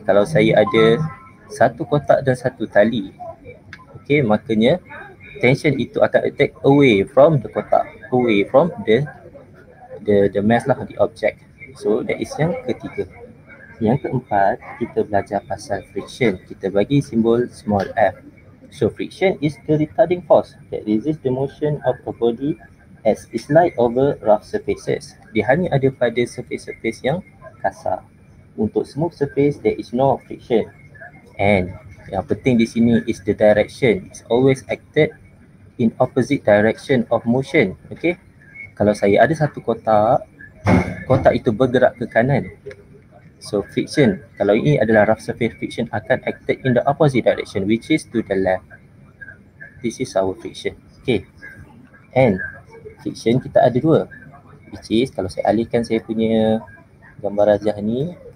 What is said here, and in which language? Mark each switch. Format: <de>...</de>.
<ms>Kalau saya ada satu kotak dan satu tali, okay, makanya tension itu akan</ms> <en>attack away from the kotak, away from the mass lah, the object. So that is</en> <ms>yang ketiga. Yang keempat, kita belajar pasal friction. Kita bagi simbol small f.</ms> <en>So friction is the retarding force that resists the motion of a body as it slides over rough surfaces.</en> <ms>Dia hanya ada pada surface-surface yang kasar. Untuk</ms> <en>smooth surface, there is no friction. And</en> <ms>yang penting di sini</ms> <en>is the direction. It's always acted in opposite direction of motion.</en> <ms>Okay, kalau saya ada satu kotak, kotak itu bergerak ke kanan.</ms> <en>So friction,</en> <ms>kalau ini adalah</ms> <en>rough surface, friction</en> <ms>akan</ms> <en>acted in the opposite direction, which is to the left. This is our friction.</en> <ms>Okay, and friction kita ada dua,</ms> <en>which is</en> <ms>kalau saya alihkan saya punya gambar rajah ni.</ms>